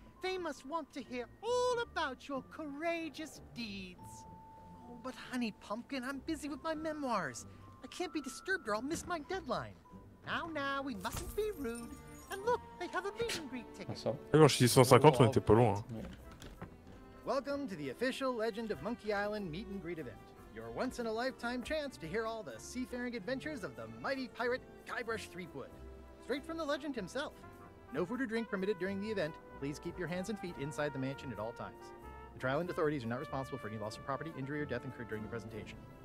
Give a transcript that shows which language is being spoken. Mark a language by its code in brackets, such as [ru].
[en] They must want to hear all about your courageous deeds. Oh, but honey pumpkin, I'm busy with my memoirs. I can't be disturbed or I'll miss my deadline. Now, we mustn't be rude. And look, they have a meet and greet ticket. [fr] Ah non, je suis 150, on était pas loin. Hein. [en] Welcome to the official Legend of Monkey Island meet and greet event. Your once-in-a-lifetime chance to hear all the seafaring adventures of the mighty pirate Guybrush Threepwood. Straight from the legend himself. No food or drink permitted during the event. Please keep your hands and feet inside the mansion at all times. The Trial and authorities are not responsible for any loss of property, injury, or death incurred during the presentation.